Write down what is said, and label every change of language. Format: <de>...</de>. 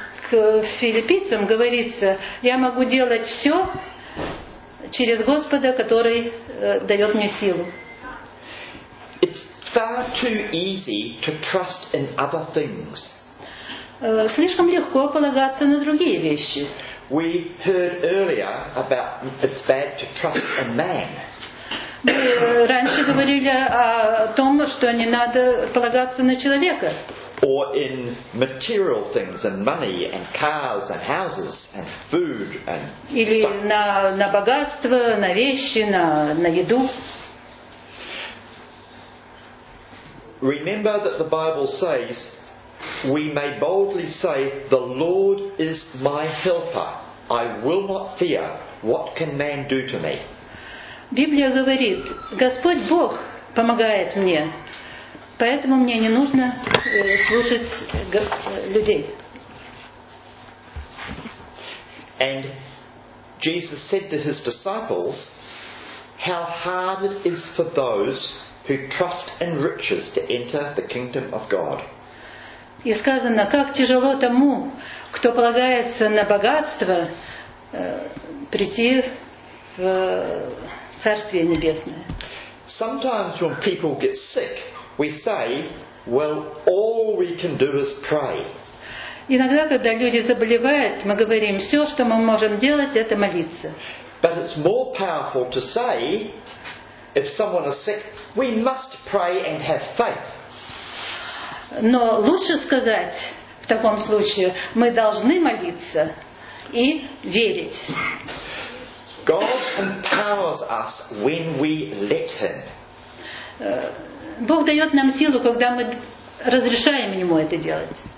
<ru>К филиппийцам говорится, я могу делать все через Господа, который дает мне силу.</ru> <en>Far too easy to trust in other things.</en> <ru>Слишком легко полагаться на другие вещи.</ru> <en>We heard earlier about it's bad to trust in man.</en> <ru>Мы раньше говорили о том, что не надо полагаться на человека.</ru> <en>Or in material things, and money, and cars, and houses, and food, and stuff.</en> <ru>Или на богатство, на вещи, на еду.</ru> <en>Remember that the Bible says we may boldly say the Lord is my helper. I will not fear. What can man do to me?</en> <ru>Библия говорит, Господь Бог, помогает мне. Поэтому мне не нужно слушать людей.</ru> <en>And Jesus said to his disciples, how hard it is for those who trust in riches to enter the kingdom of God.</en> <ru>И сказано, как тяжело тому, кто полагается на богатство, прийти в Царствие Небесное.</ru> <en>Sometimes when people get sick, we say, well, all we can do is pray.</en> <ru>Иногда, когда люди заболевают, мы говорим, все, что мы можем делать, это молиться.</ru> <en>But it's more powerful to say, if someone is sick, we must pray and have faith.</en> <ru>Но лучше сказать в таком случае, мы должны молиться и верить.</ru> <en>God empowers us when we let Him.</en> <ru>Бог дает нам силу, когда мы разрешаем Ему это делать.</ru>